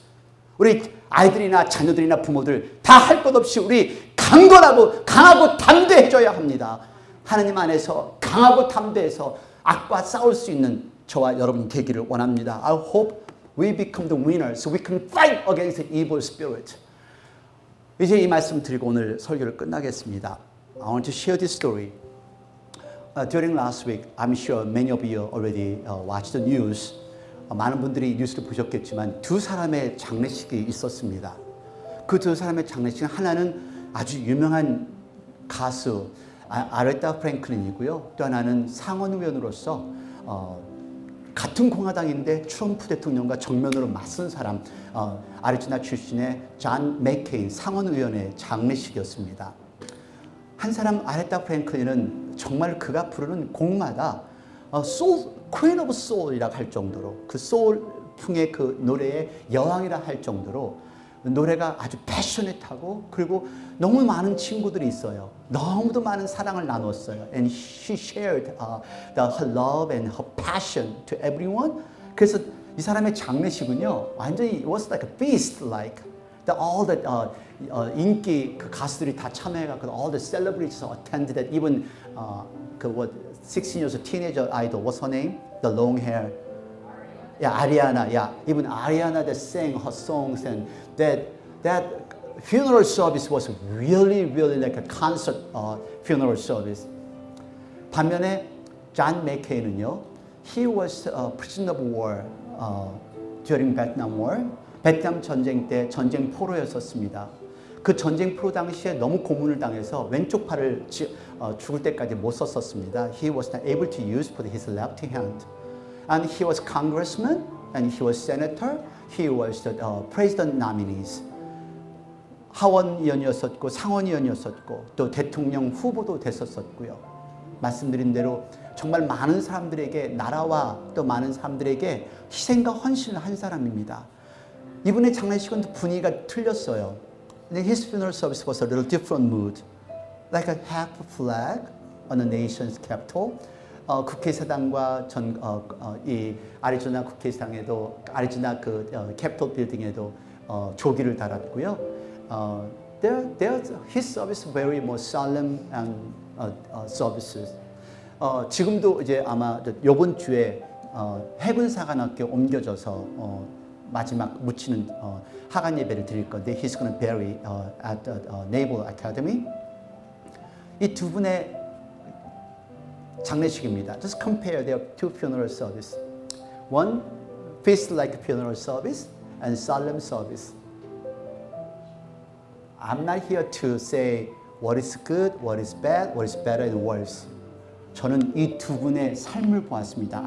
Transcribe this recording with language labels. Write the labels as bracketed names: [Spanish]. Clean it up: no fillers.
[Korean] 우리 아이들이나 자녀들이나 부모들 다 할 것 없이 우리 강건하고 강하고 담대해줘야 합니다. 하나님 안에서 강하고 담대해서 악과 싸울 수 있는 저와 여러분 되기를 원합니다. [English] I hope we become the winners. We can fight against the evil spirit. [Korean] 이제 이 말씀 드리고 오늘 설교를 끝나겠습니다. [English] I want to share this story. During last week, I'm sure many of you already watched the news. [Korean] 많은 분들이 뉴스를 보셨겠지만 두 사람의 장례식이 있었습니다. 그 두 사람의 장례식은 하나는 아주 유명한 가수 아레타 프랭클린이고요. 또 하나는 상원의원으로서 같은 공화당인데 트럼프 대통령과 정면으로 맞선 사람 아리조나 출신의 존 맥케인 상원의원의 장례식이었습니다. 한 사람 아레타 프랭클린은 정말 그가 부르는 곡마다 소울, Queen of Soul이라고 할 정도로 그 소울풍의 그 노래의 여왕이라 할 정도로 노래가 아주 패셔넷하고 그리고 너무 많은 친구들이 있어요. 너무도 많은 사랑을 나눴어요. [English] And she shared her love and her passion to everyone. [Korean] 그래서 이 사람의 장례식은요. 완전히 [English] it was like a feast like. All the [Korean] 인기 그 가수들이 다 참여해서 [English] all the celebrities attended it. Even 그 what 16 years old teenager idol what's her name? The long hair. Yeah, Ariana. Yeah. Even Ariana that sang her songs and that funeral service was really, really like a concert funeral service. [Korean] 반면에 [English] John McCain은요, he was a prisoner of war during Vietnam War. [Korean] 베트남 전쟁 때 전쟁 포로였었습니다. 그 전쟁 포로 당시에 너무 고문을 당해서 왼쪽 팔을 죽을 때까지 못 썼었습니다. [English] He was not able to use for his left hand. And he was congressman, and he was senator, he was the president nominees. [Korean] 하원의원이었었고 상원의원이었었고 또 대통령 후보도 됐었었고요. 말씀드린 대로 정말 많은 사람들에게 나라와 또 많은 사람들에게 희생과 헌신을 한 사람입니다. 이분의 장례식은 분위기가 틀렸어요. [English] His funeral service was a little different mood. Like a half flag on the nation's capital. [Korean] 국회의사당과 이 아리조나 국회의사당에도 아리조나 그 캐피톨 빌딩에도 조기를 달았고요. [English] His service was very more solemn and services. [Korean] 지금도 이제 아마 이번 주에 해군사관학교 옮겨져서 마지막 묻히는 하관 예배를 드릴 건데 [English] he's going to bury at the Naval Academy. [Korean] 이 두 분의 장례식입니다. [English] Just compare their two funeral services. One, feast-like funeral service and solemn service. I'm not here to say what is good, what is bad, what is better and worse. [Korean] 저는 이 두 분의 삶을 보았습니다.